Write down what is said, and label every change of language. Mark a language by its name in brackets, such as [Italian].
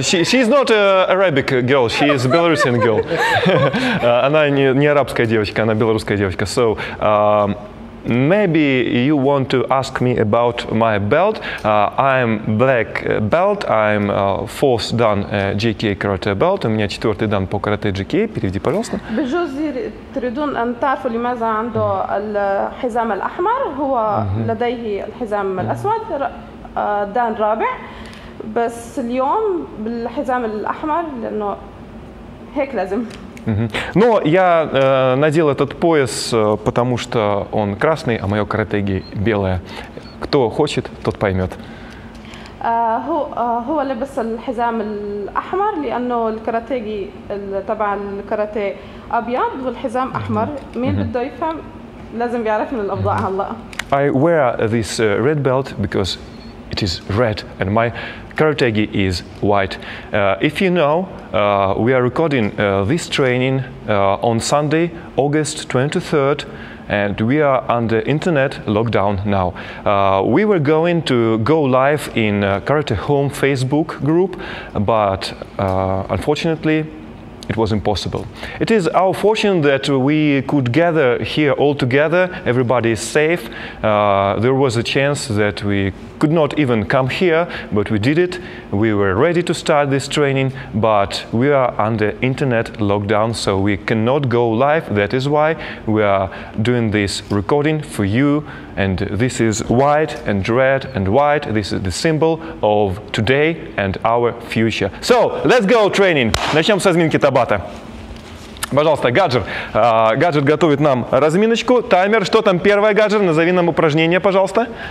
[English] She's not an Arabic girl, she is a Belarusian girl. [Russian] Она не арабская девочка, она белорусская девочка. [English] So, maybe you want to ask me about my belt. I'm black belt. I'm fourth dan JKA karate belt. [Russian] У меня четвертый дан по карате JKA. Переведи, пожалуйста. [Arabic] Бежузи تريدون أن تعرفوا لماذا عنده الحزام الأحمر هو لديه الحزام الأسود دان رابع بس اليوم بالحزام الأحمر لأنه هيك لازم. [Russian] Но я надел этот пояс, потому что он красный, а мое каратеги белое. Кто хочет, тот поймет. [Arabic] هو لبس الحزام الأحمر لأنه الكاراتيجي تبع الكاراتيه أبيض والحزام أحمر. مين بده يفهم لازم يعرف من الأوضاع هلا. [English] I wear this red belt because it is red and my karategi is white. If you know, we are recording this training on Sunday, August 23rd, and we are under internet lockdown now. We were going to go live in Karate Home Facebook group, but unfortunately, it was impossible. It is our fortune that we could gather here all together. Everybody is safe. There was a chance that we could not even come here, but we did it. We were ready to start this training, but we are under internet lockdown, so we cannot go live. That is why we are doing this recording for you. And this is white and red and white. This is the symbol of today and our future. So, let's go training. [Russian] Начнем с разминки табата. Пожалуйста, Гаджер. Гаджер готовит нам разминочку. Таймер. Что там первое, Гаджер? Назови нам упражнение, пожалуйста.